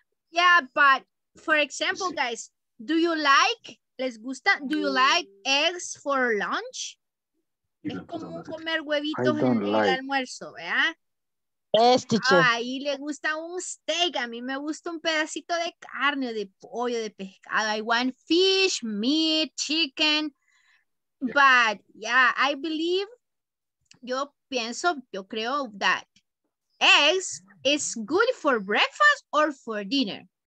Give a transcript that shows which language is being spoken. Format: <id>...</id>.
<en>Yeah, but for example, guys, do you like,</en> <es>les gusta,</es> <en>do you like eggs for lunch?</en> <es>Es como comer huevitos en el almuerzo, ¿verdad? Ahí le gusta un steak. A mí me gusta un pedacito de carne, de pollo, de pescado.</es> <en>I want fish, meat, chicken. But yeah, I believe,</en> <es>yo creo</es> <en>that eggs is good for breakfast or for dinner.</en>